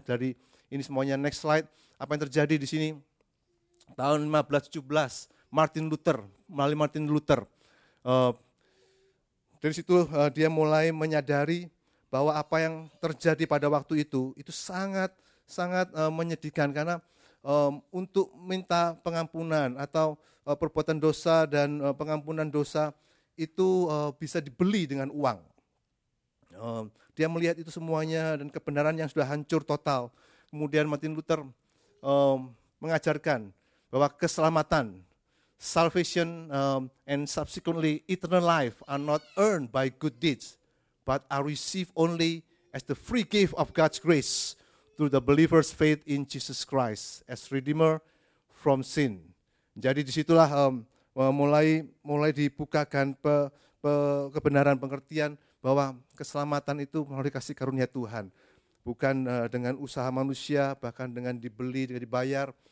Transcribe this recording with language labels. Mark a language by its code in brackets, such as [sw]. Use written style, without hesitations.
[id] Dari ini semuanya, [en] next slide. [id] Apa yang terjadi di sini? Tahun 1517, Martin Luther, dari situ dia mulai menyadari bahwa apa yang terjadi pada waktu itu sangat sangat menyedihkan, karena untuk minta pengampunan atau perbuatan dosa dan pengampunan dosa itu bisa dibeli dengan uang. Dia melihat itu semuanya dan kebenaran yang sudah hancur total. Kemudian Martin Luther mengajarkan bahwa keselamatan, [en] salvation and subsequently eternal life are not earned by good deeds, but are received only as the free gift of God's grace through the believer's faith in Jesus Christ as Redeemer from sin. [id] Jadi disitulah mulai dibukakan kebenaran pengertian bahwa keselamatan itu melalui kasih karunia Tuhan, bukan dengan usaha manusia, bahkan dengan dibeli, dengan dibayar.